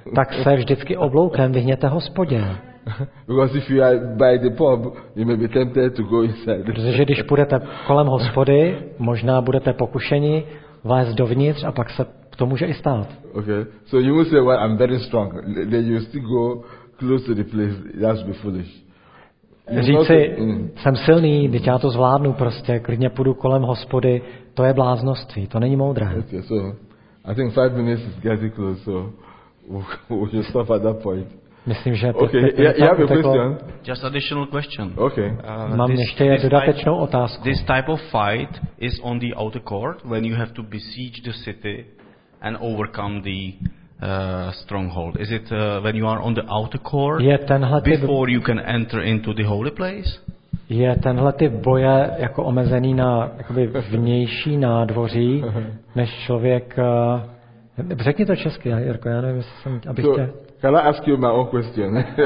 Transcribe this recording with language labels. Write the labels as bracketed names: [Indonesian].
[Czech] Tak se vždycky obloukem vyhněte hospodě. [English] Because if you are by the pub, you may be tempted to go inside. [Czech] Protože když půjdete kolem hospody, možná budete pokušeni vlézt dovnitř a pak se to může i stát. [English] Okay, so you must say, well, I'm very strong. Then you still go close to the place. That would be foolish. [Czech] Říci, jsem silný, teď já to zvládnu prostě, klidně půjdu kolem hospody, to je bláznoství, to není moudré. [English] Okay, so I think 5 minutes is getting close, so we'll just stop at that point. [Czech] Myslím, že [English] okay, you have a question? Just additional question. Okay. [Czech] Mám ještě dodatečnou otázku. [English] This type of fight is on the outer court when you have to besiege the city and overcome the stronghold. Is it when you are on the outer court before you can enter into the holy place? [Czech] Je tenhle typ boje jako omezený na jakoby vnější nádvoří, než člověk... Řekni to česky, Jirko, já nevím, [English] Can I ask you my own question?